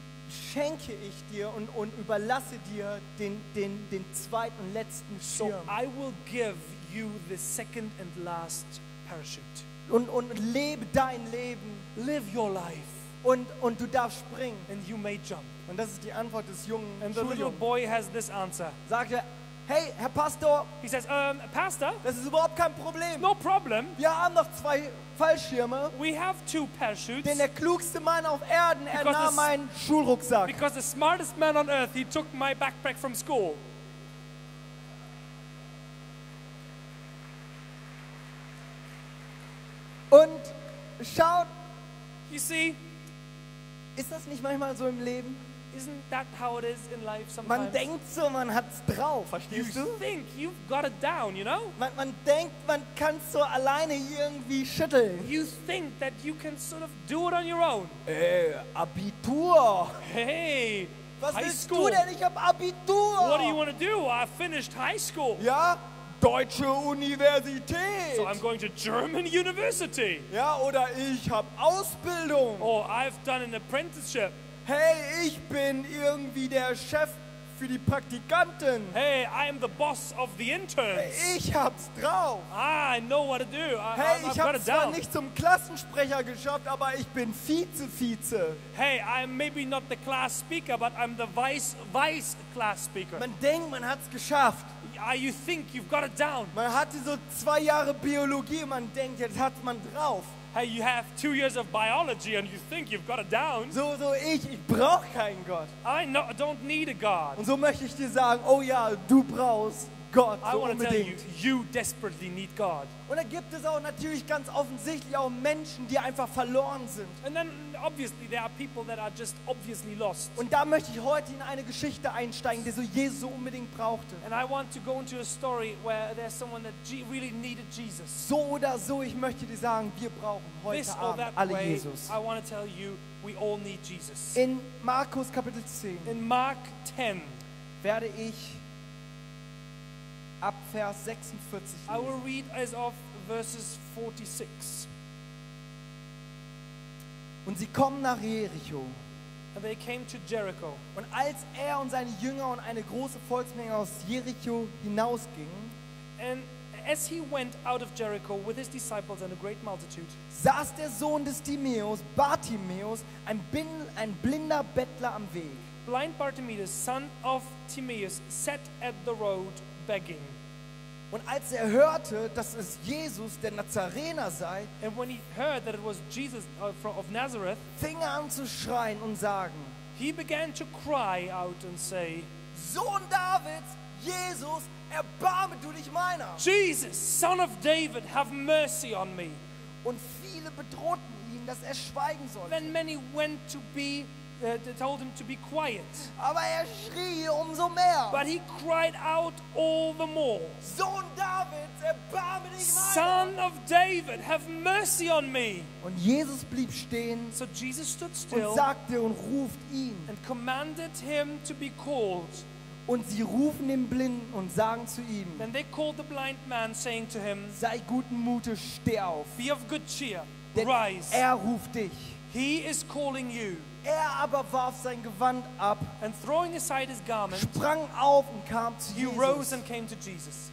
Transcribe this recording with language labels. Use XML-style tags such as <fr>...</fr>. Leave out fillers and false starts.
<de>schenke ich dir und überlasse dir den zweiten und letzten Schirm.</de> <en>So I will give you the second and last parachute.</en> <de>Und lebe dein Leben.</de> <en>Live your life.</en> <de>Und du darfst springen.</de> <en>And you may jump.</en> <de>Und das ist die Antwort des jungen Schuljungen.</de> <en>And the little boy has this answer.</en> <de>Sagte, hey, Herr Pastor.</de> <en>He says, Pastor.</en> <de>Das ist überhaupt kein Problem.</de> <en>No problem.</en> <de>Wir haben noch zwei Fallschirme.</de> <en>We have two parachutes.</en> <de>Denn der klugste Mann auf Erden, er nahm meinen Schulrucksack.</de> <en>Because the smartest man on earth, he took my backpack from school.</en> <de>Und schaut.</de> <en>You see,</en> <de>ist das nicht manchmal so im Leben?</de> <en>Isn't that how it is in life sometimes?</en> <de>Man denkt so, man hat's drauf, verstehst</de> <en>you</en> <de>du?</de> <en>You think you've got it down, you know?</en> <de>Man denkt, man kann's so alleine irgendwie schütteln.</de> <en>You think that you can sort of do it on your own.</en> <de>Abitur. Hey, was</de> <en>high</en> <de>willst</de> <en>school.</en> <de>Du denn? Ich hab Abitur.</de> <en>What do you want to do? I finished high school.</en> <de>Ja, deutsche Universität.</de> <en>So I'm going to German University.</en> <de>Ja, oder ich hab Ausbildung.</de> <en>Or I've done an apprenticeship.</en> <de>Hey, ich bin irgendwie der Chef für die Praktikanten.</de> <en>Hey, I'm the boss of the interns.</en> <de>Hey, ich hab's drauf.</de> <en>Ah, I know what to do.</en> <de>Hey, ich hab's zwar nicht zum Klassensprecher geschafft, aber ich bin Vize-Vize.</de> <en>Hey, I'm maybe not the class speaker, but I'm the vice class speaker.</en> <de>Man denkt, man hat's geschafft.</de> <en>You think you've got it down.</en> <de>Man hatte so zwei Jahre Biologie und man denkt, jetzt hat man drauf.</de> <en>Hey, you have 2 years of biology and you think you've got it down.</en> <de>So ich brauche keinen Gott.</de> <en>I don't need a God.</en> <de>Und so möchte ich dir sagen, oh ja, du brauchst Gott so</de> <en>I</en> <de>unbedingt.</de> <en>I want to tell you desperately need God.</en> <de>Und da gibt es auch natürlich ganz offensichtlich auch Menschen, die einfach verloren sind.</de> <en>And then obviously there are people that are just obviously lost.</en> <de>Und da möchte ich heute in eine Geschichte einsteigen, die so Jesus so unbedingt brauchte.</de> <en>And I want to go into a story where there's someone that really needed Jesus.</en> <de>So oder so, ich möchte dir sagen, wir brauchen heute</de> <en>This</en> <de>Abend</de> <en>or that</en> <de>alle</de> <en>way,</en> <de>Jesus.</de> <en>I want to tell you, we all need Jesus.</en> <de>In Markus Kapitel 10.</de> <en>In Mark 10</en> <de>werde ich ab Vers 46 lesen.</de> <en>I will read as of verses 46.</en> <de>Und sie kommen nach Jericho.</de> <en>And they came to Jericho.</en> <de>Und als er und seine Jünger und eine große Volksmenge aus Jericho hinausgingen,</de> <en>and as he went out of Jericho with his disciples and a great multitude,</en> <de>saß der Sohn des Timäus, Bartimäus, ein blinder Bettler am Weg.</de> <en>Blind Bartimäus, son of Timaeus, sat at the road begging.</en> <de>Und als er hörte, dass es Jesus der Nazarener sei,</de> <en>and when he heard that it was Jesus of Nazareth,</en> <de>fing er an zu schreien und sagen,</de> <en>he began to cry out and say,</en> <de>Sohn Davids, Jesus, erbarme du dich meiner.</de> <en>Jesus, son of David, have mercy on me.</en> <de>Und viele bedrohten ihn, dass er schweigen sollte.</de> <en>Then many went to be they told him to be quiet.</en> <de>Aber er schrie umso mehr.</de> <en>But he cried out all the more.</en> <de>Sohn Davids, erbarme dich meiner.</de> <en>Son of David, have mercy on me.</en> <de>Und Jesus blieb stehen.</de> <en>So Jesus stood still.</en> <de>Und sagte und ruft ihn.</de> <en>And commanded him to be called.</en> <de>Und sie rufen den Blinden und sagen zu ihm.</de> <en>Then they called the blind man, saying to him.</en> <de>Sei guten Mutes, steh auf.</de> <en>Be of good cheer.</en> <de>Denn</de> <en>rise.</en> <de>Er ruft dich.</de> <en>He is calling you.</en> <de>Er aber warf sein Gewand ab,</de> <en>and throwing aside his garment,</en> <de>sprang auf und kam zu</de> <en>he</en> <de>Jesus.</de> <en>He rose and came to Jesus.</en>